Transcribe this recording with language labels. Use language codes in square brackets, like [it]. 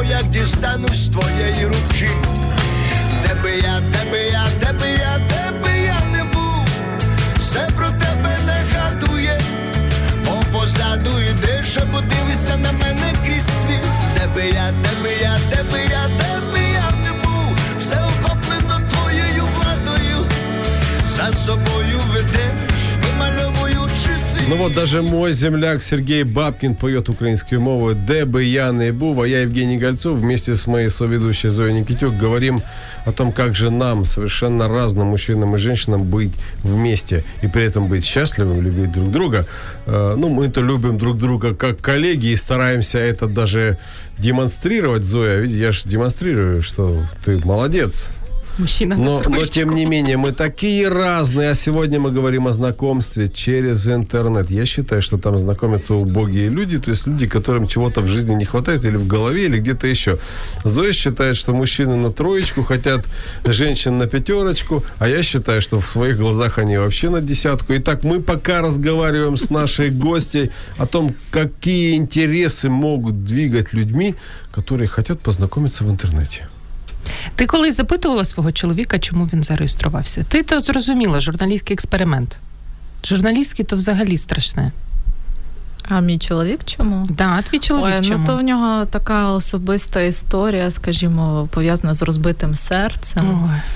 [uk] Дістанусь твоєї руки. Де би я, де би я, де би я, де би я не був, все про тебе нагадує, мов позаду і диша, подивися на мене крізь світ. Де би я, де би я, де би я, де би я не був, все охоплено твоєю владою, за собою ведеш, вимальовуючи світ. [ru] Ну от даже мой земляк [uk] Сергій Бабкін поет українською мовою «Де би я не був», [ru] а я, Евгений Гальцов, вместе с моей соведущей Зоей Никитюк, говорим о том, как же нам, совершенно разным мужчинам и женщинам, быть вместе и при этом быть счастливым, любить друг друга. Ну, мы-то любим друг друга как коллеги и стараемся это даже демонстрировать. Зоя, видишь, я же демонстрирую, что ты молодец. Мужчина, но тем не менее, мы такие разные, а сегодня мы говорим о знакомстве через интернет. Я считаю, что там знакомятся убогие люди, то есть люди, которым чего-то в жизни не хватает, или в голове, или где-то еще. Зоя считает, что мужчины на троечку хотят, женщин на пятерочку, а я считаю, что в своих глазах они вообще на десятку. Итак, мы пока разговариваем с нашей гостьей о том, какие интересы могут двигать людьми, которые хотят познакомиться в интернете. [uk] Ти коли запитувала свого чоловіка, чому він зареєструвався? Ти то зрозуміла, журналістський експеримент. Журналістські то взагалі страшне. А мій чоловік чому? Да, твій чоловік чому? Ну то в нього така особиста історія, скажімо, пов'язана з розбитим серцем.